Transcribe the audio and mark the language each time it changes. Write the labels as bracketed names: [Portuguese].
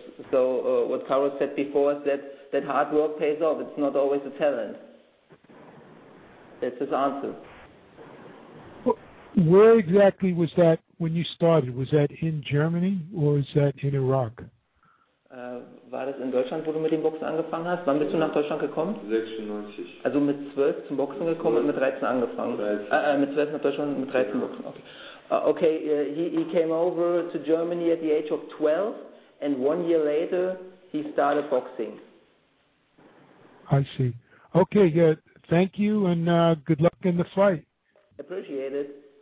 [English] So what Carlos said before is that hard work pays off. It's not always a talent. That's his answer. Where exactly was that when you started? Was that in Germany or is that in Iraq? [German] War das in Deutschland, wo du mit dem Boxen angefangen hast? Wann bist du nach Deutschland gekommen? 96. Also mit 12 zum Boxen gekommen und mit 13 angefangen? 13. Mit 12 nach Deutschland und mit 13 genau. Boxen. [English] Okay, he came over to Germany at the age of 12 and 1 year later he started boxing. I see. Okay, yeah, thank you and good luck in the fight. Appreciate it.